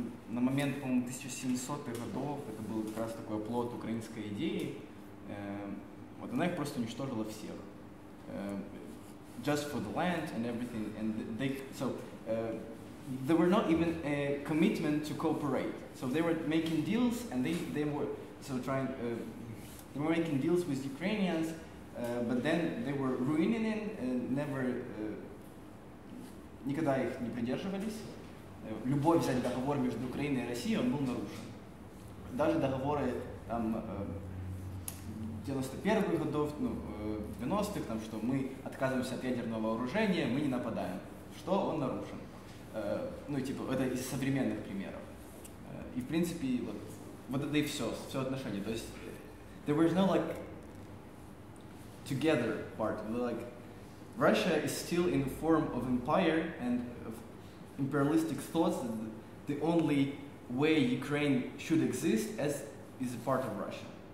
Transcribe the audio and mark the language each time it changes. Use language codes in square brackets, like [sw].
[ru] На момент, по-моему, 1700-х годов это был как раз такой оплот украинской идеи. Вот она их просто уничтожила всех. [en] Just for the land and everything, and they so there were not even a commitment to cooperate. So they were making deals, and they were so trying. They were making deals with Ukrainians, but then they were ruining it. And never, [ru] никогда их не придерживались. Любой взять договор между Украиной и Россией, он был нарушен. Даже договоры там 91-х годов, ну, 90-х, там, что мы отказываемся от ядерного вооружения, мы не нападаем. Что он нарушен. Ну, типа, это из современных примеров. И, в принципе, вот, вот это и все, все отношения. То есть, [en] there was no, like, together part. Like, Russia is still in the form of empire and of imperialistic thoughts. That the only way Ukraine should exist as is a part of Russia.